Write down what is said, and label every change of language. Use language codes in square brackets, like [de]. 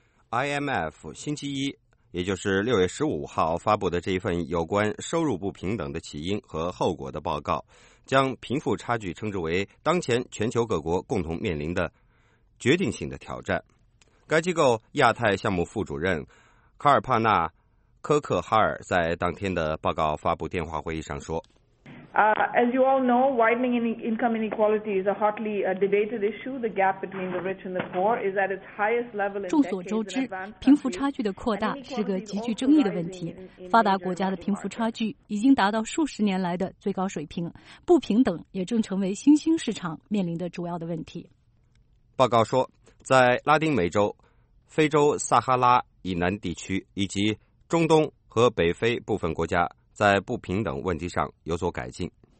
[zh] IMF 星期一，也就是6月15号发布的这一份有关收入不平等的起因和后果的报告，将贫富差距称之为当前全球各国共同面临的决定性的挑战。该机构亚太项目副主任卡尔帕纳·科克哈尔在当天的报告发布电话会议上说， [en] As you all know, widening income inequality is a hotly debated issue. The gap between the rich and the poor is at its highest level in decades. [zh] 众所周知，贫富差距的扩大是个极具争议的问题。发达国家的贫富差距已经达到数十年来的最高水平，不平等也正成为新兴市场面临的主要的问题。报告说，在拉丁美洲、非洲撒哈拉以南地区以及中东和北非部分国家，在不平等问题上有所改进。